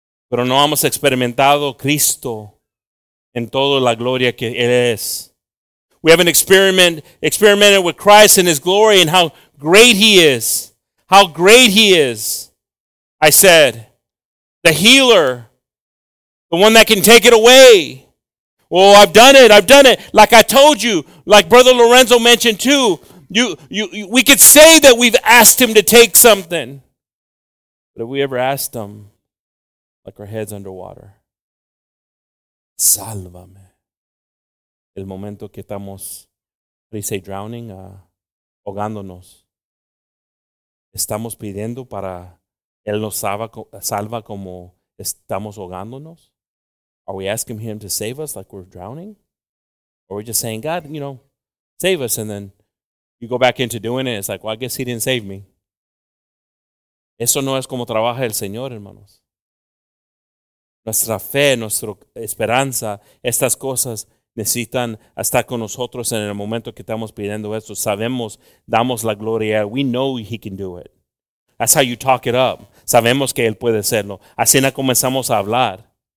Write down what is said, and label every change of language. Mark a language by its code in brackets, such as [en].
[es] Pero no hemos experimentado Cristo en toda la gloria que Él es. [en] We haven't experimented with Christ and His glory and how great He is. How great He is. I said, the healer, the one that can take it away. Oh, I've done it. I've done it. Like I told you, like Brother Lorenzo mentioned too, we could say that we've asked him to take something. But have we ever asked him, like our heads underwater? [es] Sálvame. El momento que estamos, [en] what do you say, drowning, [es] ahogándonos. Estamos pidiendo para... Él nos salva como estamos ahogándonos. [en] Are we asking him to save us like we're drowning? Or are we just saying, God, you know, save us. And then you go back into doing it. It's like, well, I guess he didn't save me. [es] Eso no es como trabaja el Señor, hermanos. Nuestra fe, nuestra esperanza, estas cosas necesitan estar con nosotros en el momento que estamos pidiendo esto. Sabemos, damos la gloria. [en] We know he can do it. That's how you talk it up. [es] Sabemos que Él puede hacerlo. Así no comenzamos a hablar.